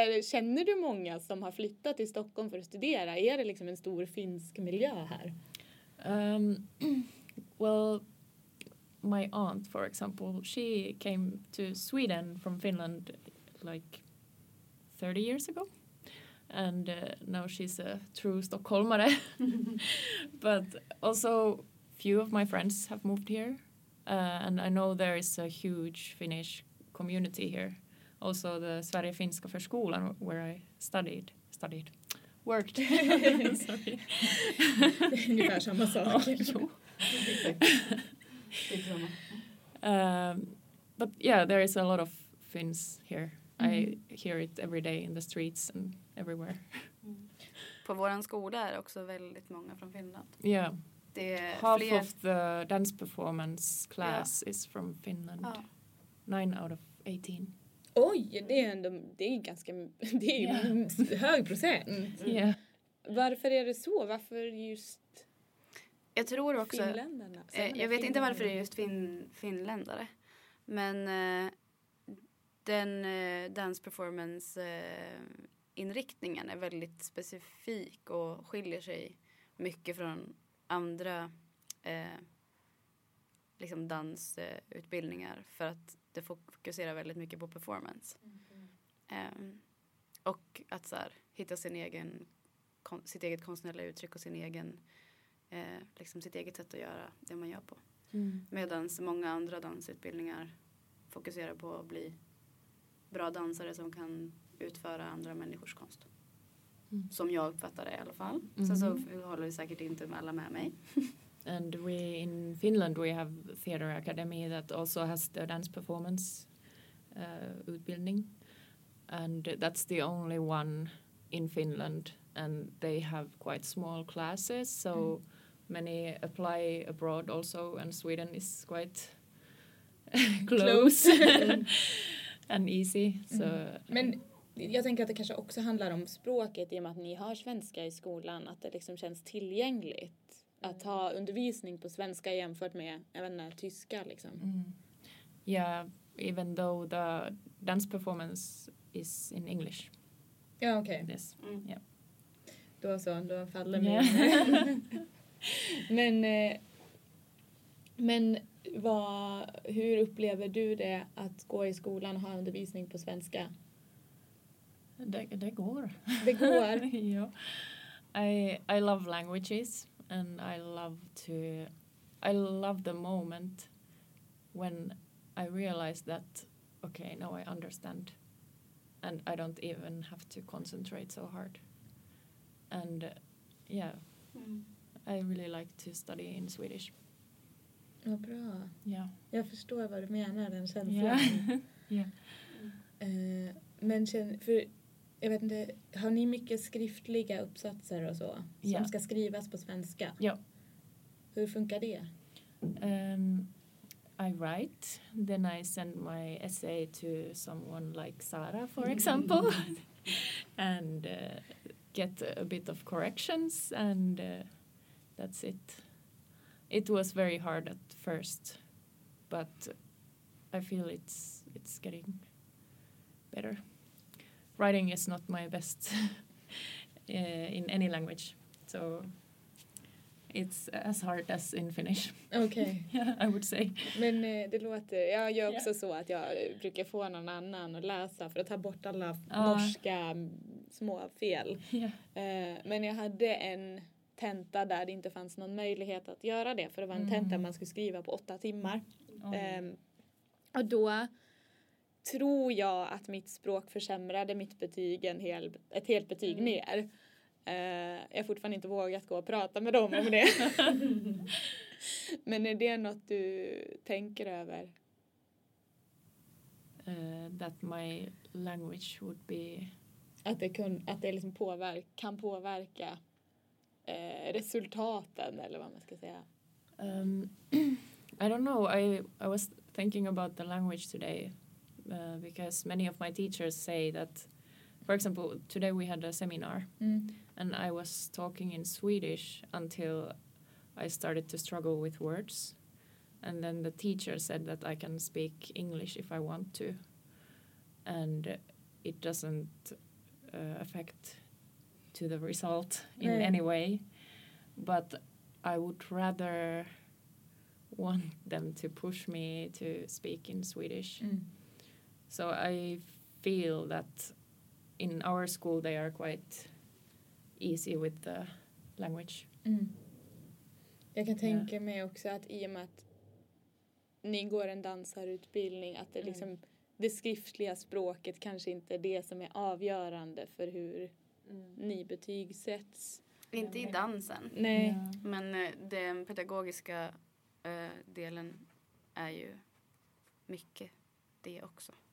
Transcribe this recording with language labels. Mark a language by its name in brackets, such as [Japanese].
[Swedish] Känner du många som har flyttat till Stockholm för att studera? Är det liksom en stor finsk miljö här? [English] Well, my aunt for example, she came to Sweden from Finland like 30 years ago. And now she's a true Stockholmare. But also few of my friends have moved here. And I know there is a huge Finnish community here. Also the Sverigefinska förskolan where I studied. Worked. [Swedish] Sorry. Ungefär samma sak. [English] But yeah, there is a lot of Finns here. Mm-hmm. I hear it every day in the streets and everywhere. Mm. [Swedish] På våran skola är också väldigt många från Finland. Ja. [English] Yeah. Half fler... of the dance performance class is from Finland. [Swedish] Ja. [English] 9 out of 18. [Swedish] Oj, det är ändå, det är ganska, det är hög procent. [English] Mm. Yeah. [Swedish] Varför är det så? Varför just? Jag tror också. Finländarna. Jag vet inte varför det är just finländare, men den dance performance inriktningen är väldigt specifik och skiljer sig mycket från andra liksom dansutbildningar, för att det fokuserar väldigt mycket på performance. Mm-hmm. Och att så här, hitta sin egen sitt eget konstnärliga uttryck och sin egen liksom sitt eget sätt att göra det man gör på. Mm. Medan många andra dansutbildningar fokuserar på att bli bra dansare som kan utföra andra människors konst. Mm. Som jag uppfattar det i alla fall. Mm-hmm. Sen så håller vi säkert inte med alla med mig. [English] And we in Finland we have theater academy that also has the dance performance utbildning. And that's the only one in Finland. And they have quite small classes. So many apply abroad also. And Sweden is quite close. And easy. So, [Swedish] Men jag tänker att det kanske också handlar om språket, i och med att ni har svenska i skolan, att det liksom känns tillgängligt att ha undervisning på svenska jämfört med även tyska liksom. Mm. [English] Yeah, even though the dance performance is in English. [Swedish] Ja, okej. [English] Okay. Yes. Mm. Yeah. [Swedish] Då så, då faller med. Men hur upplever du det att gå i skolan och ha undervisning på svenska? Det går. Det går. Ja. [English] I love languages and I love the moment when I realize that okay, now I understand and I don't even have to concentrate so hard. And yeah, I really like to study in Swedish. [Swedish] Ja, bra. Ja. Jag förstår vad du menar, den känslan. Ja. Men för jag vet inte, har ni mycket skriftliga uppsatser och så som ska skrivas på svenska? Ja. Hur funkar det? [English] I write, then I send my essay to someone like Sara, for example, and get a bit of corrections, and that's it. It was very hard at first, but I feel it's getting better. Writing is not my best in any language, so it's as hard as in Finnish. Okay. Yeah, I would say. [Swedish] Men det låter, jag gör också så att jag brukar få någon annan att läsa för att ta bort alla norska små fel. Men jag hade en tenta där det inte fanns någon möjlighet att göra det, för det var en tenta man skulle skriva på 8 timmar. Och då tror jag att mitt språk försämrade mitt betyg ett helt betyg ner. Jag har fortfarande inte vågat gå och prata med dem om det. Men är det något du tänker över? [English] That my language would be... [Swedish] Att det kan påverka resultaten, eller vad man ska säga. [English] I don't know. I was thinking about the language today. Because many of my teachers say that, for example, today we had a seminar, and I was talking in Swedish until I started to struggle with words, and then the teacher said that I can speak English if I want to, and it doesn't affect to the result in any way, but I would rather want them to push me to speak in Swedish. So I feel that in our school they are quite easy with the language. [Swedish] Jag kan tänka mig också att i och med att ni går en dansarutbildning, att det liksom det skriftliga språket kanske inte är det som är avgörande för hur ni betygsätts. Inte i dansen. Nej. Men den pedagogiska delen är ju mycket det också.